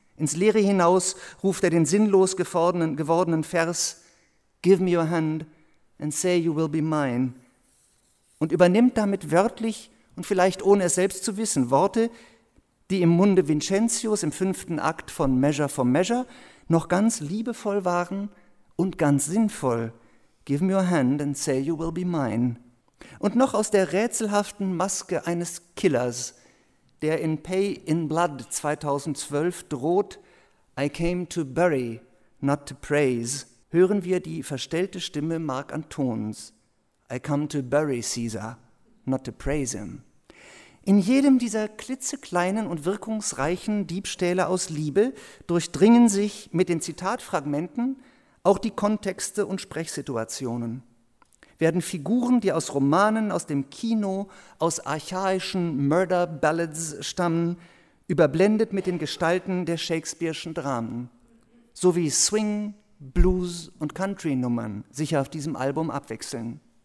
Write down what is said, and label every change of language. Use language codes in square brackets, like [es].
[de] Ins Leere hinaus ruft er den sinnlos gewordenen Vers [en] Give me your hand and say you will be mine [de] und übernimmt damit wörtlich und vielleicht ohne es selbst zu wissen Worte, die im Munde Vincentius im 5. Akt von Measure for Measure noch ganz liebevoll waren und ganz sinnvoll. [en] Give me your hand and say you will be mine. [de] Und noch aus der rätselhaften Maske eines Killers, der in Pay in Blood 2012 droht, [en] I came to bury, not to praise, [de] hören wir die verstellte Stimme Marc Antons. [en] I come to bury Caesar, not to praise him. [de] In jedem dieser klitzekleinen und wirkungsreichen Diebstähle aus Liebe durchdringen sich mit den Zitatfragmenten auch die Kontexte und Sprechsituationen. Werden Figuren, die aus Romanen, aus dem Kino, aus archaischen Murder-Ballads stammen, überblendet mit den Gestalten der shakespeareschen Dramen, so wie Swing, Blues und Country-Nummern sich auf diesem Album abwechseln.